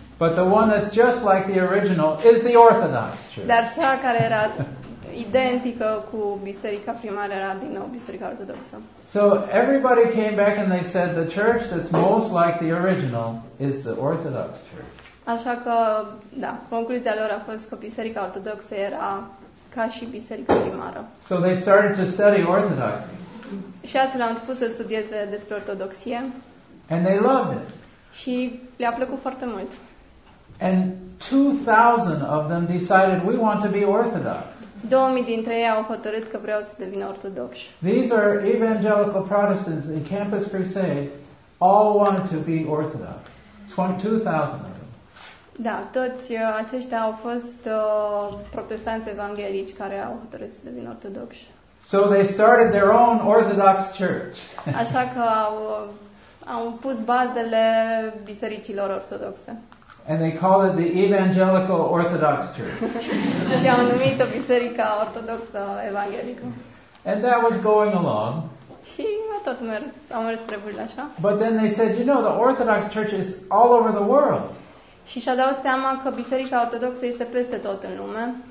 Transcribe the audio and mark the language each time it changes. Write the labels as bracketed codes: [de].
[en] But the one that's just like the original is the Orthodox Church. [ro] Dar cea care era identică cu biserica primară era din nou biserica ortodoxă. [en] So everybody came back and they said the church that's most like the original is the Orthodox Church. [ro] Așa că, da, concluzia lor a fost că biserica ortodoxă era ca și biserica primară. [en] So they started to study orthodoxy. [ro] Și astfel au început să studieze despre ortodoxie. [en] And they loved it. [ro] Și le-a plăcut foarte mult. [en] And 2000 of them decided we want to be orthodox. [ro] 2000 dintre ei au hotărât că vreau să devină ortodoxi. [en] These are evangelical Protestants in Campus Crusade, all want to be orthodox. 2000 of them. [ro] Da, toți aceștia au fost protestanți evanghelici care au hotărât să devină ortodoxi. [en] So they started their own Orthodox Church. [ro] Așa că au pus bazele bisericilor ortodoxe. [en] And they call it the Evangelical Orthodox Church. [ro] Și au numit-o Biserica Ortodoxă Evanghelică. [en] And that was going along. [ro] Și tot a mers spre bun așa. [en] But then they said, you know, the Orthodox Church is all over the world. [ro] Și și-au dat seama că Biserica Ortodoxă este peste tot în lume.